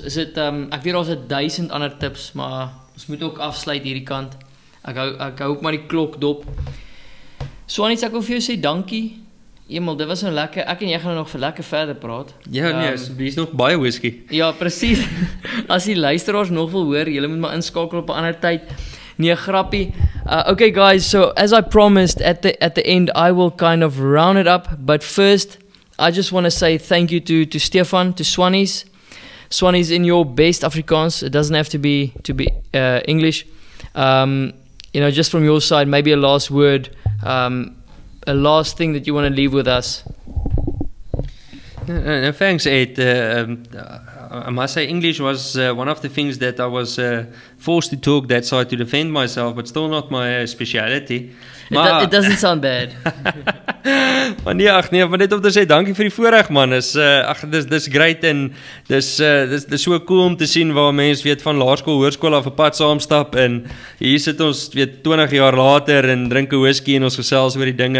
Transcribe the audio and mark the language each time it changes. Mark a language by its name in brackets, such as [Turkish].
[Afrikaans] Is dit, ek weet al 1000 ander tips, maar ons moet ook afsluit hierdie kant. Ek hou ook maar die klok dop. So Anies, ek wil vir jou sê dankie. Emel, dit was nou lekker. Ek en jy gaan nog vir lekker verder praat. Ja, nee, hier is nog baie whisky. Ja, precies. As die luisteraars nog wil hoor, jy moet maar inskakel op 'n ander tyd. Nee, grappie. [English] Okay guys, so as I promised, at the end I will kind of round it up, but first I just want to say thank you to Stefan, to Swannies. Swannies, in your best Afrikaans, it doesn't have to be English. You know, just from your side, maybe a last word, a last thing that you want to leave with us. No, thanks, Ed. I must say English was one of the things that I was forced to talk that side to defend myself, but still not my speciality. It doesn't sound bad. [Afrikaans] Maar nee, ag nee, maar net om te sê dankie vir die voorreg man, [English] dis great [Afrikaans] en [English] dis so cool [Afrikaans] om te sien waar mense weet van laerskool, hoërskool af 'n pad saamstap en hier sit ons weet 20 jaar later en drink 'n whisky en ons gesels oor die dinge.